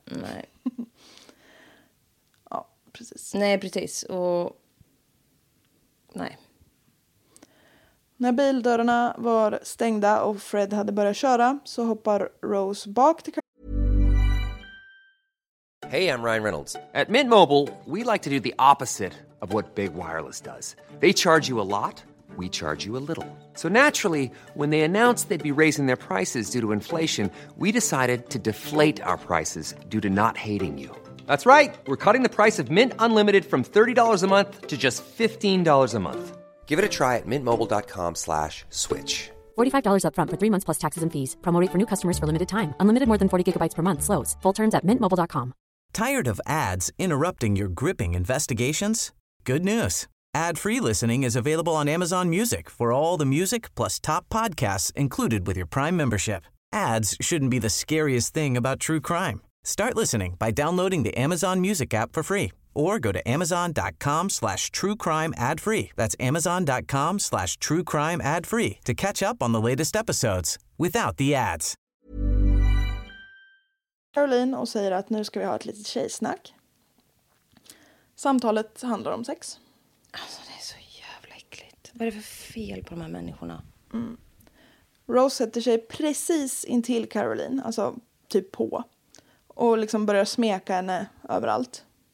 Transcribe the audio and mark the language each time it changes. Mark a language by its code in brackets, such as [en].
[sv] Nej. Ja, precis. Nej, precis. Och... Nej. När bildörrarna var stängda och Fred hade börjat köra så hoppar Rose bak till Caroline. [en] Hey, I'm Ryan Reynolds. At Mint Mobile, we like to do the opposite of what Big Wireless does. They charge you a lot, we charge you a little. So naturally, when they announced they'd be raising their prices due to inflation, we decided to deflate our prices due to not hating you. That's right. We're cutting the price of Mint Unlimited from $30 a month to just $15 a month. Give it a try at mintmobile.com/switch. $45 up front for 3 months plus taxes and fees. Promo rate for new customers for limited time. Unlimited more than 40 gigabytes per month slows. Full terms at mintmobile.com. Tired of ads interrupting your gripping investigations? Good news. Ad-free listening is available on Amazon Music for all the music plus top podcasts included with your Prime membership. Ads shouldn't be the scariest thing about true crime. Start listening by downloading the Amazon Music app for free or go to amazon.com/truecrimeadfree. That's amazon.com/truecrimeadfree to catch up on the latest episodes without the ads. [sv] Caroline och säger att nu ska vi ha ett litet tjejsnack. Samtalet handlar om sex. Alltså det är så jävla äckligt. Vad är det för fel på de här människorna? Mm. Rose sätter sig precis intill Caroline, alltså typ på. Och liksom börjar smeka henne överallt.